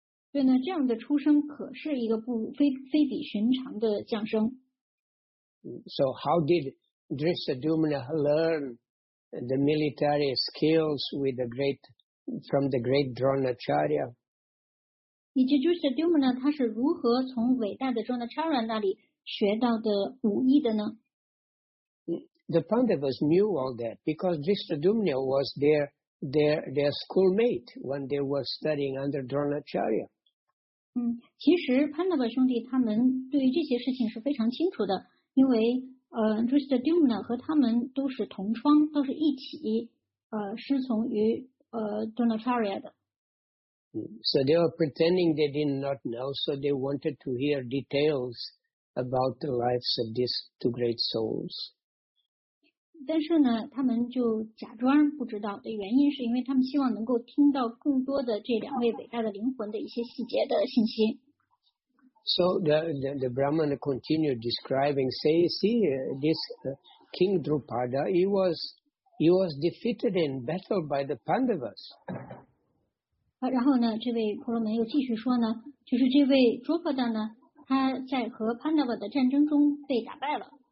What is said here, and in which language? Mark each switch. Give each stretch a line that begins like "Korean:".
Chinese: 所以呢，这样的出生可是一个非比寻常的降生。
English: So how did Drishtadyumna learn the military skills from the great Dronacharya?
Chinese: 以及 Drishtadyumna 他是如何从伟大的 Dronacharya 那里学到的武艺的呢？
English: The Pandavas knew all that because Drishtadyumna was their schoolmate when they were studying under Dronacharya.
Chinese: 其实 Pandava 兄弟他们对于这些事情是非常清楚的。因为Drishtadyumna 和他们都是同窗，都是一起师从于Dronacharya 的。
English: So they were pretending they did not know, so they wanted to hear details about the lives of these two great souls.
Chinese: 但是呢，他们就假装不知道的原因是因为他们希望能够听到更多的这两位伟大的灵魂的一些细节的信息。
English: So the Brahman continued describing, say, see, this King Draupada, he was defeated in battle by the Pandavas.
Chinese: 然后呢，这位婆罗门又继续说呢，就是这位 Draupada 呢，他在和 Pandava 的战争中被打败了。